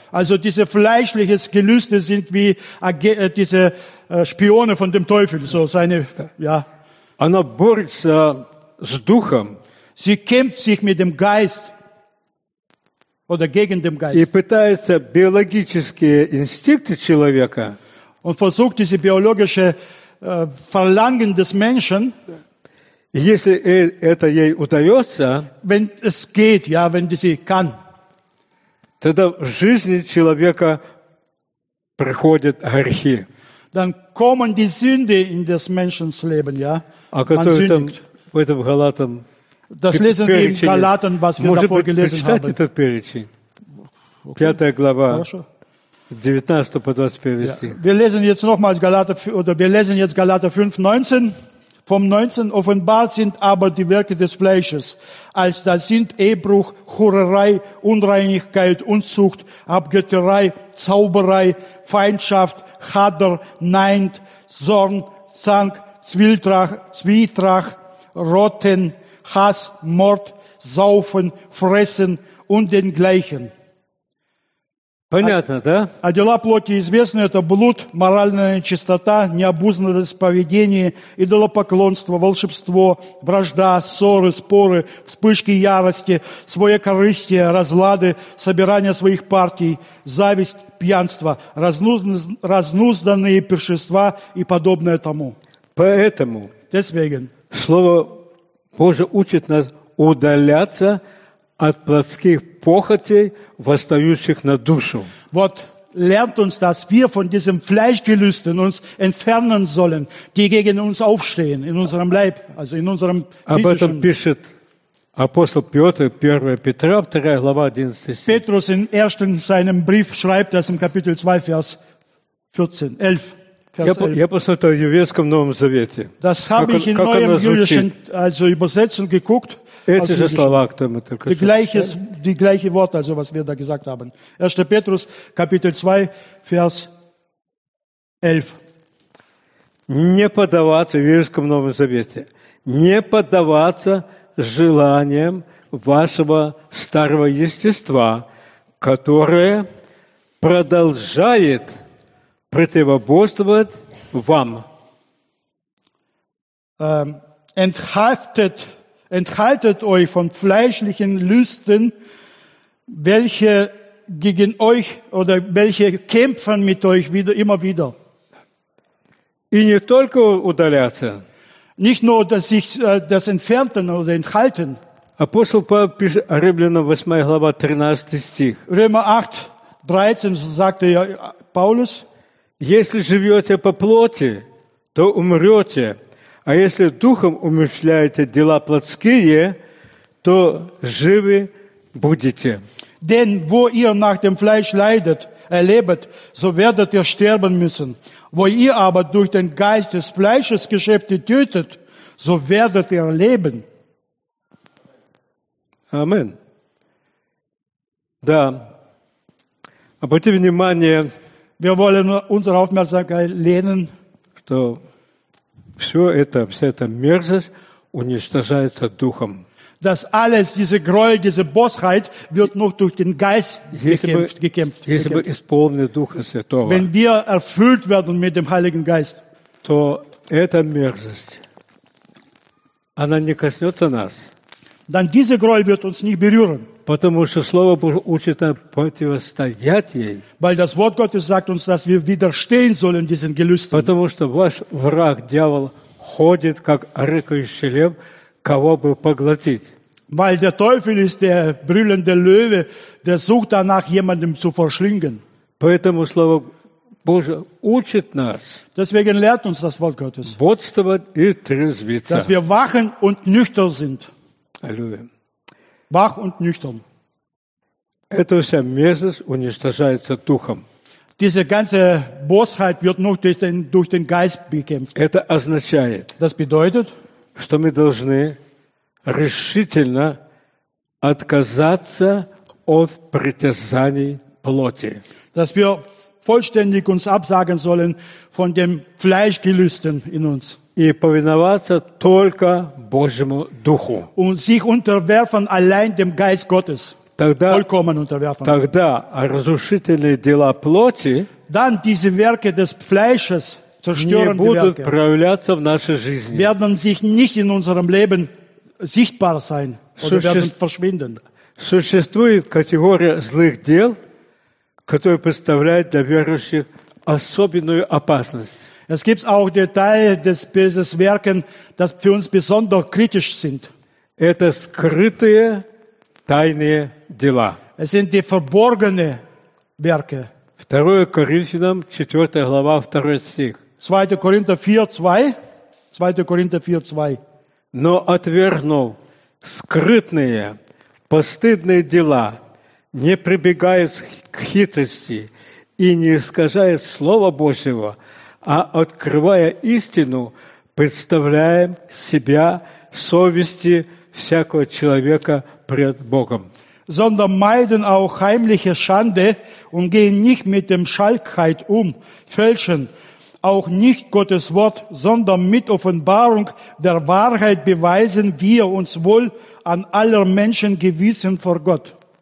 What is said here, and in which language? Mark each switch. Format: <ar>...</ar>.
<de>Also diese fleischlichen Gelüste sind wie diese Spione von dem Teufel, so seine, ja.</de> <ru>Она борется с духом.</ru> <de>Sie kämpft sich mit dem Geist. Oder gegen den Geist.</de> <ru>И пытается биологические инстинкты человека</ru> <de>und versucht diese biologische Verlangen des Menschen,</de> <ru>если это ей удается,</ru> <de>wenn es geht, ja, wenn sie kann,</de> <ru>тогда в жизни человека приходят грехи.</ru> <de>Dann kommen die Sünde in des Menschens Leben, ja.</de> <ru>А который там в этом Галатам.</ru> <de>Das lesen wir im Galaten, was wir davor gelesen haben.</de> <ru>Этот перечень. Пятая глава. 19 по 21 стих.</ru> <de>Wir lesen jetzt nochmals Galater, oder wir lesen jetzt Galater 5, 19 vom 19 offenbart sind aber die Werke des Fleisches, als da sind Ehebruch, Hurerei, Unreinigkeit, Unzucht, Abgötterei, Zauberei, Feindschaft, Hader, Neid, Zorn, Zank, Zwietracht, Rotten, Hass, Mord, Saufen, Fressen und dengleichen.</de> <ru>Понятно, да? А дела плоти известны, это блуд, моральная нечистота, необузданность поведения, идолопоклонство, волшебство, вражда, ссоры, споры, вспышки ярости, свое корыстие, разлады, собирание своих партий, зависть, пьянство, разнузданные пиршества и подобное тому. Поэтому</ru> <de>Deswegen.</de> <ru>Слово Божие учит нас удаляться от плотских похотей, восстающих на душу.</ru> <de>Вот lernt uns, dass wir von diesem Fleischgelüsten uns entfernen sollen, die gegen uns aufstehen in unserem Leib, also in unserem</de> <ru>physischen. Об этом пишет апостол Петр, 1 Петра, 2 глава, 11 стих.</ru> <de>Петрус in ersten seinem Brief schreibt das im Kapitel 2, Vers 14, 11.</de> <ru>Я посмотрел в Еврейском Новом Завете.</ru> <de>Das habe ich in neuem jüdischen also Übersetzung geguckt.</de> <ru>Эти же слова, кто мы только что.</ru> <de>Die gleiche Worte, also was wir da gesagt haben. 1. Петрус, Kapitel 2, Vers 11.</de> <ru>Не поддаваться в Еврейском Новом Завете. Не поддаваться желаниям вашего старого естества, которое продолжает противоборствовать вам.</ru> <de>Enthaltet euch von fleischlichen Lüsten, welche gegen euch oder welche kämpfen mit euch wieder, immer wieder.</de> <ru>И не только удаляться.</ru> <de>Nicht nur, dass sich das entfernten oder enthalten.</de> <ru>Апостол Павел пишет Римлянам 8 глава 13 стих.</ru> <de>Römer 8, 13 sagte Paulus.</de> <ru>Если живете по плоти, то умрете, а если духом умышляете дела плотские, то живы будете.</ru> <de>Denn wo ihr nach dem Fleisch leidet, erlebt, so werdet ihr sterben müssen. Wo ihr aber durch den Geist des Fleisches Geschäfte tötet, so werdet ihr leben.</de> <ru>Amen. Да. Обратите внимание.</ru> <de>Wir wollen unsere Aufmerksamkeit lehnen,</de> <ru>что все это, вся эта мерзость уничтожается духом.</ru> <de>Dass alles, diese Gräuel, diese Bosheit, wird noch durch den Geist gekämpft.</de> <ru>Если бы исполнены Духа Святого,</ru> <de>wenn wir erfüllt werden mit dem Heiligen Geist,</de> <ru>то эта мерзость, она не коснется нас.</ru> <de>Dann diese Gräuel wird uns nicht berühren.</de> <ru>Потому что Слово Божие учит нас противостоять ей.</ru> <de>Weil das Wort Gottes sagt uns, dass wir widerstehen sollen diesen Gelüsten.</de> <ru>Потому что ваш враг, дьявол, ходит, как рыкающий лев, кого бы поглотить.</ru> <de>Weil der Teufel ist der brüllende Löwe, der sucht danach, jemanden zu verschlingen.</de> <ru>Поэтому Слово Божие учит нас.</ru> <de>Deswegen lehrt uns das Wort Gottes.</de> <ru>Бодствовать и трезвиться.</ru> <de>Dass wir wachen und nüchtern sind.</de> <ru>Аллилуйя.</ru> <de>Wach und nüchtern.</de> <ru>Эта вся мерзость уничтожается духом.</ru> <de>Diese ganze Bosheit wird nur durch den Geist bekämpft.</de> <ru>Это означает,</ru> <de>das bedeutet,</de> <ru>что мы должны решительно отказаться от притязаний плоти.</ru> <de>Dass wir vollständig uns absagen sollen von dem Fleischgelüsten in uns.</de> <ru>И повиноваться только Божьему Духу.</ru> <de>Und sich unterwerfen allein dem Geist Gottes.</de> <ru>Тогда,</ru> <de>vollkommen unterwerfen.</de> <ru>Тогда разрушительные дела плоти</ru> <de>dann diese Werke des Fleisches, zerstörende</de> <ru>не будут</ru> <de>Werke,</de> <ru>проявляться в нашей жизни.</ru> <de>Werden sich nicht in unserem Leben sichtbar sein oder werden verschwinden.</de> <ru>Существует категория злых дел, которые представляют для верующих особенную опасность.</ru> <de>Es gibt auch Details des bösen Werken, das für uns besonders kritisch sind.</de> <ru>Это скрытые тайные дела.</ru> <de>Es sind die verborgenen Werke.</de> <ru>2. Коринфянам 4. глава 2. стих. 2. Коринфянам 4:2. 2. Коринфянам 4:2. Но отвергнув скрытные, постыдные дела, не прибегают к хитрости и не искажают слова Божьего, а открывая истину, представляем себя в совести всякого человека пред Богом.</ru> <de>Sondern meiden auch heimliche Schande und gehen nicht mit dem Schalkheit um, fälschen auch nicht Gottes Wort, sondern mit Offenbarung der Wahrheit beweisen wir uns wohl an aller Menschen Gewissen vor Gott.</de>